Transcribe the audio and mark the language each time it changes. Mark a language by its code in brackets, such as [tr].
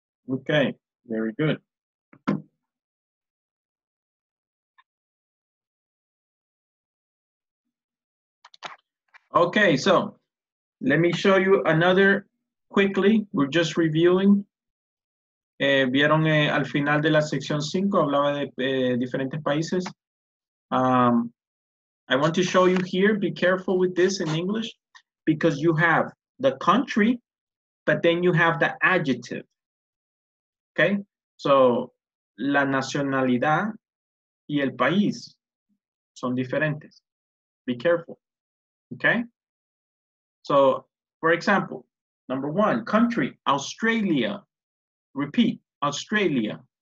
[en] Okay, very good. Okay, so let me show you another quickly. We're just reviewing. [es] Vieron al final de la sección 5, hablaba de diferentes países. [en] I want to show you here, be careful with this in English, because you have the country, but then you have the adjective. Okay? [es] So, la nacionalidad y el país son diferentes. [en] Be careful. Okay? So, for example, number one, country, Australia. Repeat, Australia.